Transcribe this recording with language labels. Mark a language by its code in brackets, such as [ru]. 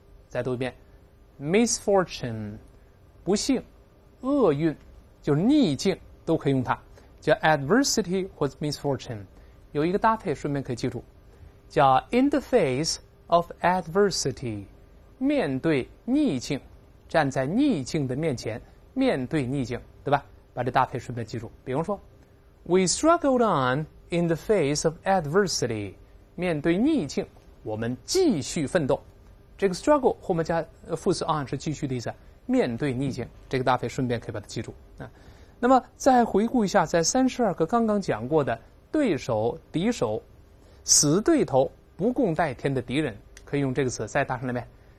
[zh] 再读一遍 ，misfortune, 不幸、厄运，就是逆境，都可以用它，叫 adversity 或者 misfortune。有一个搭配，顺便可以记住，叫 [en] in the face of adversity， [zh] 面对逆境，站在逆境的面前，面对逆境，对吧？把这搭配顺便记住，比如说。 [en] We struggled on in the face of adversity. [zh] 面对逆境，我们继续奋斗。这个 struggle 后面加副词 on 是继续的意思。面对逆境，这个搭配顺便可以把它记住。那么再回顾一下，在32课刚刚讲过的对手、敌手、死对头、不共戴天的敌人，可以用这个词再大声来呗。